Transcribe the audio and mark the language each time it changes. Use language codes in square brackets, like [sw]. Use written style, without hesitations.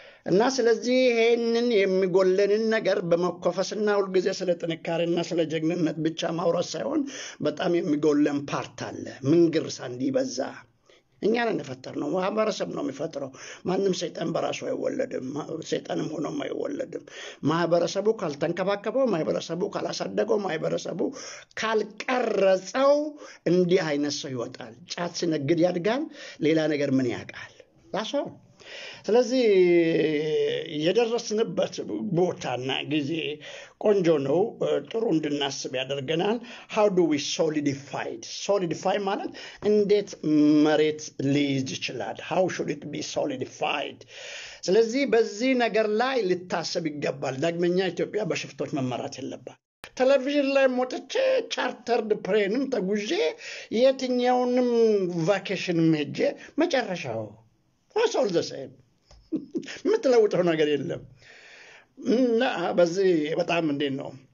[am] እና ስለዚህ ይሄንን የሚጎለንን ነገር በመኮፈስና ሁልጊዜ ስለ ጥንካሬና ስለ ጀግንነት ብቻ ማውራት ሳይሆን በጣም የሚጎለን ፓርት አለ። ምንግርሳ እንዲበዛ እኛ ነን የፈጠርነው፣ ማህበረሰብ ነው የሚፈጥረው። ማንም ሰይጣን በራሱ አይወለድም፣ ሰይጣንም ሆኖም አይወለድም። ማህበረሰቡ ካልተንከባከበው፣ ማህበረሰቡ ካላሳደገው፣ ማህበረሰቡ ካልቀረጸው እንዲህ አይነት ሰው ይወጣል። ጫት ሲነግድ ያድጋል፣ ሌላ ነገር ምን ያውቃል? ራሱ ስለዚህ የደረስንበት ቦታና ጊዜ ቆንጆ ነው፣ ጥሩ እንድናስብ ያደርገናል። [en] how do we solidify it? [am] solidify ማለት እንዴት መሬት ሊይዝ ይችላል? [en] how should it be solidified? [am] ስለዚህ በዚህ ነገር ላይ ልታሰብ ይገባል። ዳግመኛ ኢትዮጵያ በሽፍቶች መመራት የለባት። ቴሌቪዥን ላይ ሞጥቼ ቻርተርድ ፕሬንም ተጉዤ የትኛውንም ቫኬሽን ሄጄ መጨረሻው ሆሶል ዘሰይ የምትለውጠው ነገር የለም። እና በዚህ በጣም እንዴት ነው